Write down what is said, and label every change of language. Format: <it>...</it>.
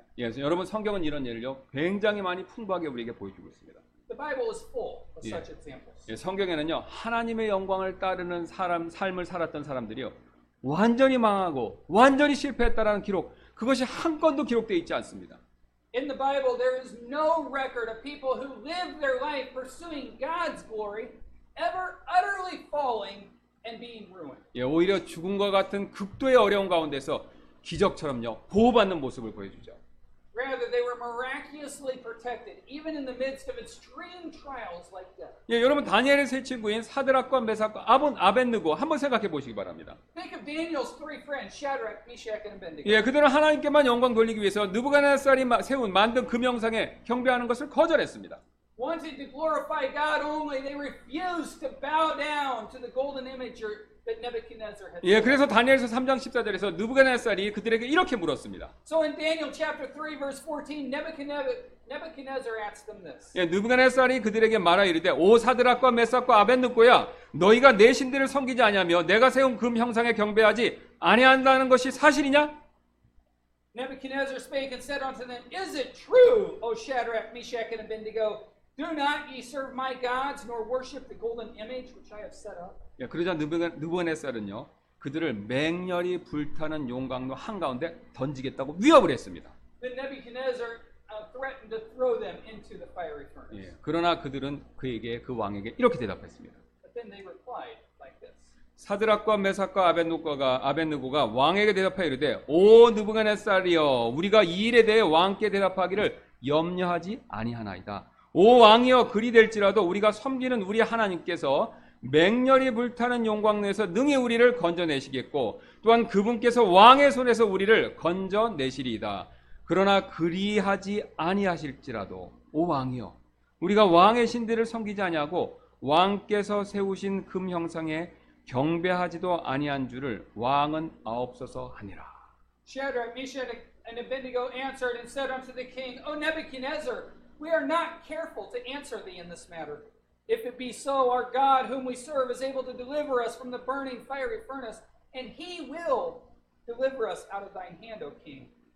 <ko>예, 여러분 성경은 이런 예를요 굉장히 많이 풍부하게 우리에게 보여주고 있습니다.</ko> <en>The Bible is full of such examples.</en> <ko>예, 성경에는요 하나님의 영광을 따르는 사람 삶을 살았던 사람들이요 완전히 망하고 완전히 실패했다라는 기록 그것이 한 건도 기록되어 있지 않습니다.</ko> <en>In the Bible, there is no record of people who lived their life pursuing God's glory ever utterly falling and being ruined.</en> <ko>예, 오히려 죽음과 같은 극도의 어려운 가운데서 기적처럼요 보호받는 모습을 보여주죠.</ko> <en>Rather, they were miraculously protected, even in the midst of extreme trials like death.</en> <ko>예, 여러분 다니엘의 세 친구인 사드락과 메삭과 아벤느고 한번 생각해 보시기 바랍니다.</ko> <en>Think of Daniel's three friends, Shadrach, Meshach, and Abednego.</en> <ko>예, 그들은 하나님께만 영광 돌리기 위해서 느부갓네살이 세운 만든 금형상에 경배하는 것을 거절했습니다.</ko> <en>Wanting to glorify God only, they refused to bow down to the golden image that Nebuchadnezzar had.</en> <ko>예, 그래서 다니엘서 3장 14절에서 느부갓네살이 그들에게 이렇게 물었습니다.</ko> <en>So in Daniel chapter 3 verse 14, Nebuchadnezzar asked them this.</en> <ko>예, 느부갓네살이 그들에게 말하여 이르되 오 사드락과 메삭과 아벤느고야, 너희가 내 신들을 섬기지 아니하며 내가 세운 금 형상에 경배하지 아니한다는 것이 사실이냐?</ko> <en>Nebuchadnezzar spake and said unto them, Is it true, O Shadrach, Meshach, and Abednego? Do not ye serve my gods, nor worship the golden image which I have set up?</en> <ko>예, 그러자 느부갓네살은요 그들을 맹렬히 불타는 용광로 한 가운데 던지겠다고 위협을 했습니다.</ko> <en>Then Nebuchadnezzar threatened to throw them into the fiery furnace.</en> <ko>예, 그러나 그들은 그에게 그 왕에게 이렇게 대답했습니다.</ko> <en>But then they replied like this.</en> <ko>사드락과 메삭과 아벤느고가 왕에게 대답하여 이르되 오 느부갓네살이여 우리가 이 일에 대해 왕께 대답하기를 염려하지 아니하나이다. 오 왕이여 그리 될지라도 우리가 섬기는 우리 하나님께서 맹렬히 불타는 용광로에서 능히 우리를 건져내시겠고 또한 그분께서 왕의 손에서 우리를 건져내시리이다. 그러나 그리하지 아니하실지라도 오 왕이여 우리가 왕의 신들을 섬기지 아니하고 왕께서 세우신 금 형상에 경배하지도 아니한 줄을 왕은 아옵소서 하니라.</ko> <en>Shadrach, Meshach, and Abednego answered and said unto the king, O Nebuchadnezzar, we are not careful to answer thee in this matter. If it be so, our God, whom we serve, is able to deliver us from the burning fiery furnace, and he will deliver us out of thine hand, O king.</en>